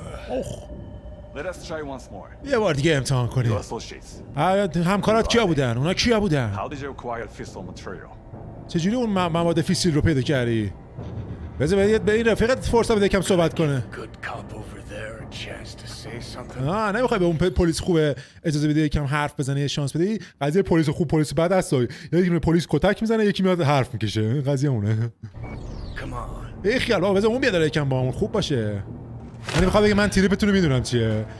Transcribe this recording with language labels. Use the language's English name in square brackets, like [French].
[English] اوه Let us try once more. [Persian] یه بار دیگه امتحان کنیم. همکارات کیا بودن؟ اونا کیا بودن؟ [English] How did you acquire fissile material? [Persian] چجوری اون مواد فسیل رو پیدا کردی؟ بذار بذار به این رفیقت فرصت بده یکم صحبت کنه. [English] Good cop over there, a chance to say something. [Persian] آه، نمیخوای به اون پلیس خوبه اجازه بده یکم حرف بزنه، یه شانس بده. قضیه پلیس خوب پلیس بد است. یکی پلیس کتک میزنه، یکی میاد حرف میکشه. قضیه اونه. [English] Come on. [Persian] ای خیال، بذار اون بیاد یکم با همون خوب باشه. یعنی میخوام بگم من تریپتون رو میدونم چیه.